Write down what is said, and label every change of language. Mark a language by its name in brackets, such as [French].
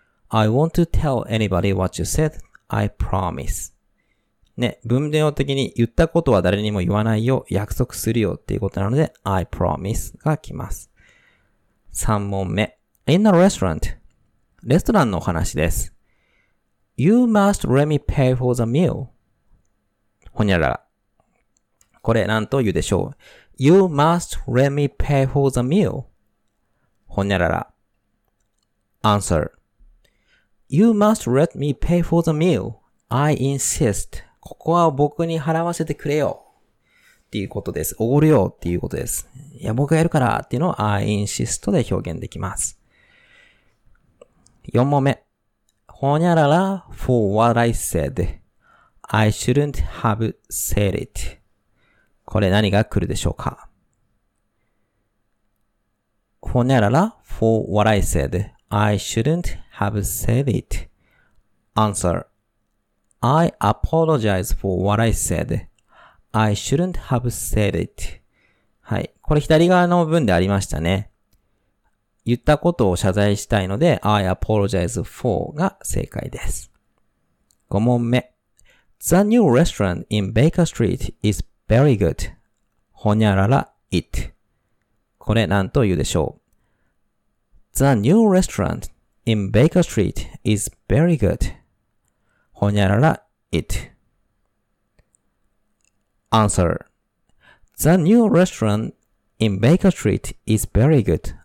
[English] I want to tell anybody what you said. I promise. [Japanese] ね、文面的に言ったことは誰にも言わないよ。約束するよっていうことなので、 [English] I promise [Japanese] が来ます。3問目。 [English] In a restaurant. [Japanese] レストランのお話です。 [English] You must let me pay for the meal. [Japanese] ほにゃらら。これ何と言うでしょう。 [English] You must let me pay for the meal. ほにゃらら。Answer. You must let me pay for the meal. I insist. [Japanese] ここは僕に払わせてくれよ。っていうことです。おごるよっていうことです。いや、僕がやるからっていうのを [English] I insist [Japanese] で表現できます。4問目。 [English] ほにゃらら for what I said. I shouldn't have said it. [Japanese] これ何が来るでしょうか？ [English] ほにゃらら for what I said. I shouldn't have said it. Answer. I apologize for what I said. I shouldn't have said it. [Japanese] はい。これ左側の文でありましたね。言ったことを謝罪したいので、I apologize for が正解です。5問目。 [English] The new restaurant in Baker Street is very good. ほにゃらら it. [Japanese] これ何と言うでしょう。 [English] The new restaurant in Baker Street is very good. ほにゃらら it. Answer. The new restaurant in Baker Street is very good.